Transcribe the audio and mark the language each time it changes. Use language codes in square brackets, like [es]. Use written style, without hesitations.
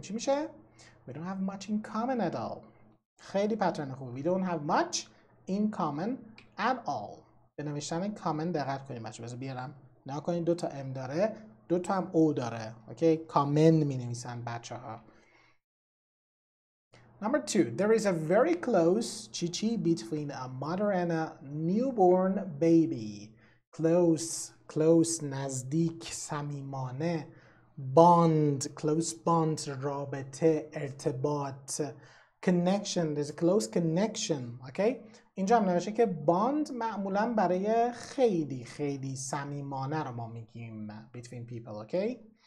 [fa] چی میشه؟ [en] We don't have much in common at all. [fa] خیلی پترن خوب. [en] We don't have much in common at all. [fa] به نوشتن common دقت کنیم بچه. بذار بیارم. نها کنید دو تا M داره، دو تا هم O داره، اوکی؟ کامن می نویسن بچه ها. [en] Number two, there is a very close chichi between a mother and a newborn baby. [fa] Close, نزدیک، صمیمانه، bond, close bond, رابطه، ارتباط، connection, [en] there's a close connection, [fa] اوکی؟ اینجا هم نوشته که باند معمولا برای خیلی خیلی صمیمانه رو ما میگیم [en] between people, okay?